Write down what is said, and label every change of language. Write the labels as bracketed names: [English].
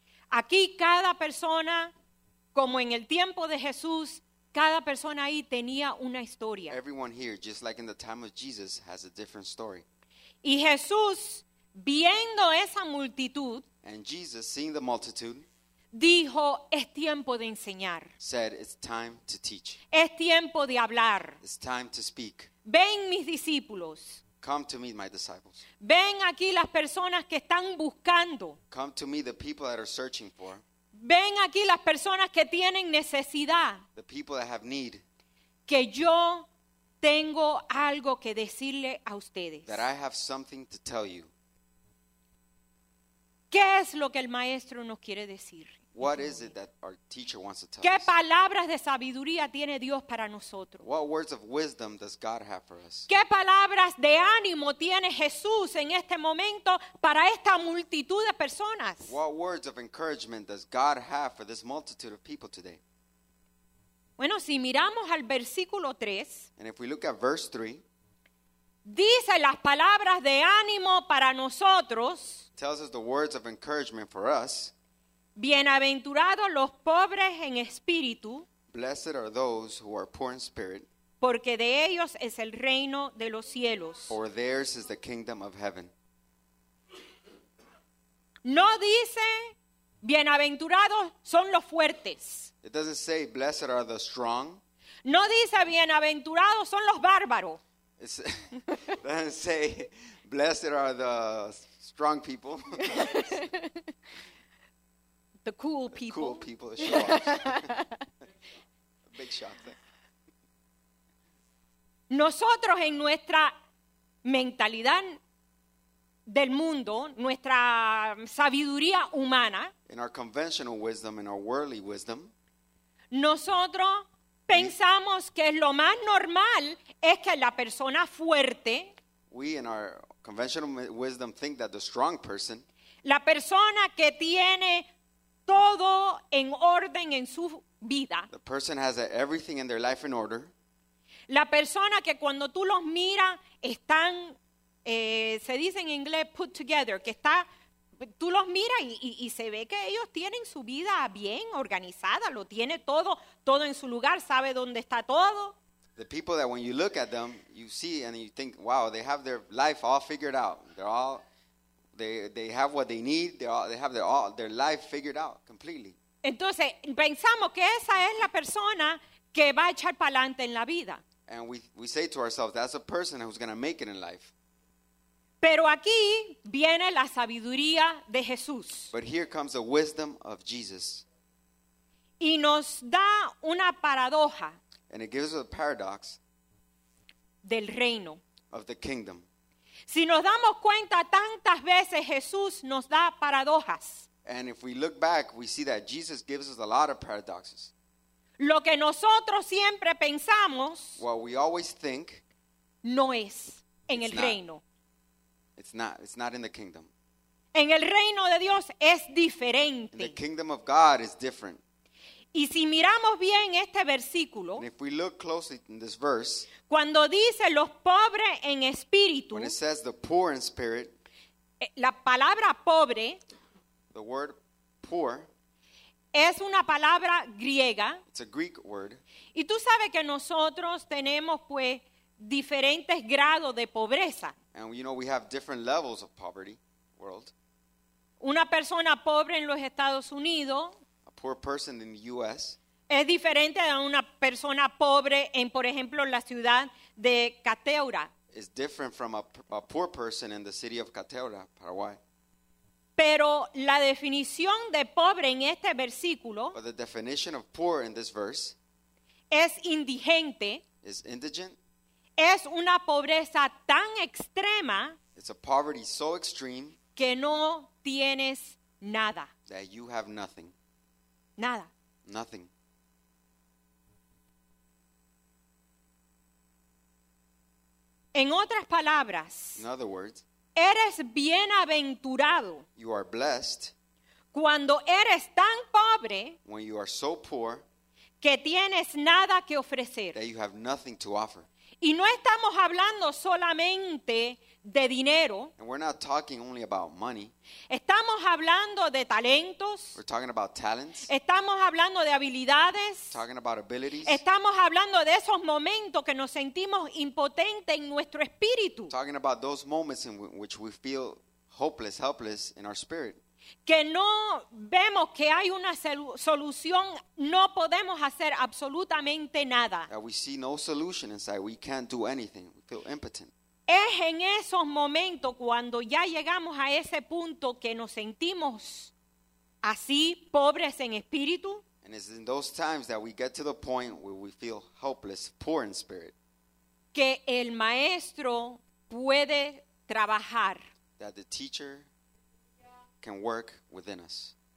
[Spanish] Aquí cada persona, como en el tiempo de Jesús, cada persona ahí tenía una historia. [English] Everyone here, just like in the time of Jesus, has a different story. [Spanish] Y Jesús, viendo esa multitud, [English] and Jesus, seeing the multitude, [Spanish] dijo, es tiempo de enseñar. [English] Said, it's time to teach. [Spanish] Es tiempo de hablar. [English] It's time to speak. [Spanish] Ven mis discípulos. [English] Come to me, my disciples. [Spanish] Ven aquí las personas que están buscando. [English] Come to me, the people that are searching for. [Spanish] Ven aquí las personas que tienen necesidad. [English] The people that have need. [Spanish] Que yo tengo algo que decirle a ustedes. [English] That I have something to tell you. [Spanish] ¿Qué es lo que el maestro nos quiere decir? [English] What is it that our teacher wants to tell [Spanish] ¿Qué [English] us? [Spanish] ¿Qué palabras de sabiduría tiene Dios para nosotros? [English] What words of wisdom does God have for us? [Spanish] ¿Qué palabras de ánimo tiene Jesús en este momento para esta multitud de personas? [English] What words of encouragement does God have for this multitude of people today? [Spanish] Bueno, si miramos al versículo 3, [English] and if we look at verse 3, [Spanish] dice las palabras de ánimo para nosotros, [English] tells us the words of encouragement for us, [Spanish] bienaventurados los pobres en espíritu, [English] blessed are those who are poor in spirit, [Spanish] porque de ellos es el reino de los cielos, [English] for theirs is the kingdom of heaven. [Spanish] No dice, bienaventurados son los fuertes. [English] It doesn't say, blessed are the strong. [Spanish] No dice, bienaventurados son los bárbaros. [English] It doesn't say, blessed are the strong people. The cool people. The cool people, the show-offs. Big shot thing. [Spanish] Nosotros en nuestra mentalidad del mundo, nuestra sabiduría humana, [English] in our conventional wisdom, in our worldly wisdom, [Spanish] nosotros pensamos que lo más normal es que la persona fuerte, [English] we in our conventional wisdom think that the strong person, [Spanish] la persona que tiene todo en orden en su vida, [English] the person has everything in their life in order, [Spanish] la persona que cuando tú los miras están, se dice en inglés [English] put together, [Spanish] que está, tú los miras y se ve que ellos tienen su vida bien organizada, lo tiene todo, todo en su lugar, sabe dónde está todo. [English] The people that when you look at them, you see and you think, wow, they have their life all figured out. They're all, they have what they need, they have their life figured out completely. [Spanish] Entonces, pensamos que esa es la persona que va a echar para adelante en la vida. [English] And we say to ourselves, that's a person who's going to make it in life. [Spanish] Pero aquí viene la sabiduría de Jesús. [English] But here comes the wisdom of Jesus. [Spanish] Y nos da una paradoja. [English] And it gives us a paradox. [Spanish] Del reino. [English] Of the kingdom. [Spanish] Si nos damos cuenta, tantas veces Jesús nos da paradojas. [English] And if we look back, we see that Jesus gives us a lot of paradoxes. [Spanish] Lo que nosotros siempre pensamos, [English] what we always think, [Spanish] no es en el reino. [English] It's not in the kingdom. [Spanish] En el reino de Dios es diferente. [English] In the kingdom of God is different. [Spanish] Y si miramos bien este versículo, [English] and if we look closely in this verse, [Spanish] cuando dice los pobres en espíritu, [English] when it says the poor in spirit, [Spanish] la palabra pobre, [English] the word poor, [Spanish] es una palabra griega. [English] It's a Greek word. [Spanish] Y tú sabes que nosotros tenemos pues diferentes grados de pobreza. [English] And you know we have different levels of poverty world. [Spanish] Una persona pobre en los Estados Unidos, [English] a poor person in the U.S. [Spanish] es diferente a una persona pobre en, por ejemplo, la ciudad de Cateura. [English] It's different from a poor person in the city of Cateura, Paraguay. [Spanish] Pero la definición de pobre en este versículo, [English] but the definition of poor in this verse, [Spanish] es indigente, [English] is indigent, [Spanish] es una pobreza tan extrema, [English] it's a poverty so extreme, [Spanish] que no tienes nada, [English] that you have nothing, [Spanish] nada, [English] nothing. [Spanish] En otras palabras, [English] in other words, [Spanish] eres bienaventurado, [English] you are blessed, [Spanish] cuando eres tan pobre, [English] when you are so poor, [Spanish] que tienes nada que ofrecer, [English] that you have nothing to offer. [Spanish] Y no estamos hablando solamente de dinero. [English] And we're not talking only about money. [Spanish] Estamos hablando de talentos. [English] We're talking about talents. [Spanish] Estamos hablando de habilidades. [English] We're talking about abilities. [Spanish] Estamos hablando de esos momentos que nos sentimos impotentes en nuestro espíritu. [English] We're talking about those moments in which we feel hopeless, helpless in our spirit. [Spanish] Que no vemos que hay una solución, no podemos hacer absolutamente nada. [English] That we see no solution inside, we can't do anything, we feel impotent. [Spanish] Es en esos momentos cuando ya llegamos a ese punto que nos sentimos así, pobres en espíritu. [English] And it's in those times that we get to the point where we feel helpless, poor in spirit. [Spanish] Que el maestro puede trabajar. [English] That the teacher can work within us.